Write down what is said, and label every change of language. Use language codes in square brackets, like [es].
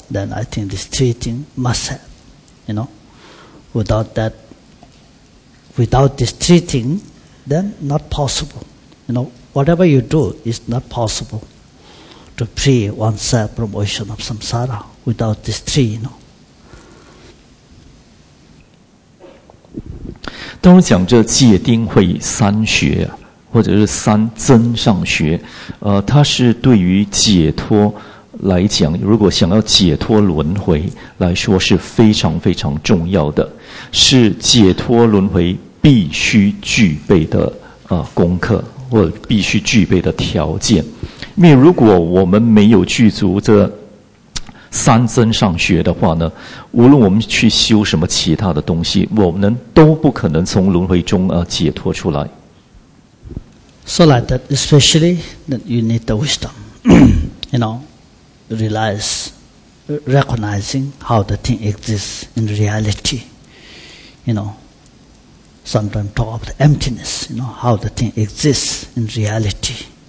[en] Then I think these three things must have. You know, without that, without these three things, then not possible. You know, whatever you do, it's not possible to free oneself from ocean of samsara without these three, you know. [zh] 当我讲这戒定慧三学，或者是三增上学，它是对于解脱来讲，如果想要解脱轮回来说是非常非常重要的，是解脱轮回必须具备的功课。或必须具备的条件，因为如果我们没有具足这三增上学的话呢，无论我们去修什么其他的东西，我们都不可能从轮回中解脱出来。 [en] So like that, especially that you need the wisdom, you know, realize, recognizing how the thing exists in reality. You know, sometimes talk of the emptiness, you know, how the thing exists in reality.